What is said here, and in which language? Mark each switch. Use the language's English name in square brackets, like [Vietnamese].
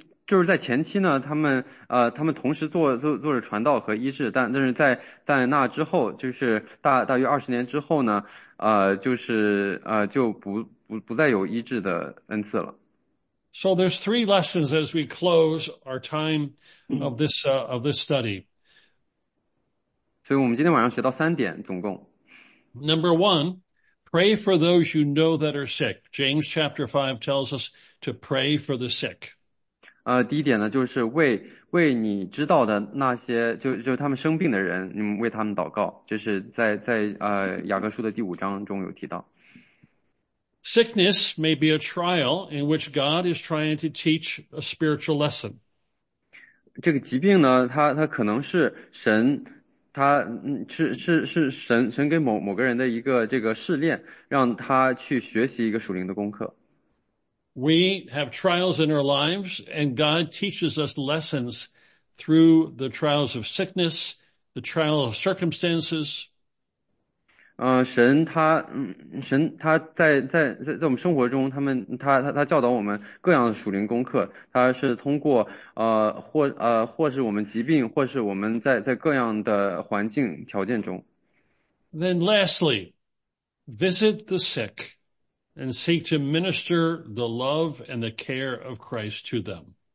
[Chinese] 就是在前期呢，他们同时做着传道和医治，但是在那之后，就是大约20年之后呢，就不再有医治的恩赐了。 [English] So there's three lessons as we close our time of this study. [Chinese] 所以我们今天晚上学到3点，总共。 [English] Number one, pray for those you know that are sick. James chapter 5 tells us to pray for the sick. [Chinese] 第一点呢，就是为你知道的那些，就他们生病的人，你们为他们祷告，这是在雅各书的第5章中有提到。 [English] Sickness may be a trial in which God is trying to teach a spiritual lesson. [Chinese] 这个疾病呢，它可能是神，他是神给某个人的一个这个试炼，让他去学习一个属灵的功课。 [English] We have trials in our lives, and God teaches us lessons through the trials of sickness, the trial of circumstances. [Chinese] 神他在我们生活中，他教导我们各样的属灵功课，他是通过或是我们疾病，或是我们在各样的环境条件中。 [English] Then lastly, visit the sick and seek to minister the love and the care of Christ to them.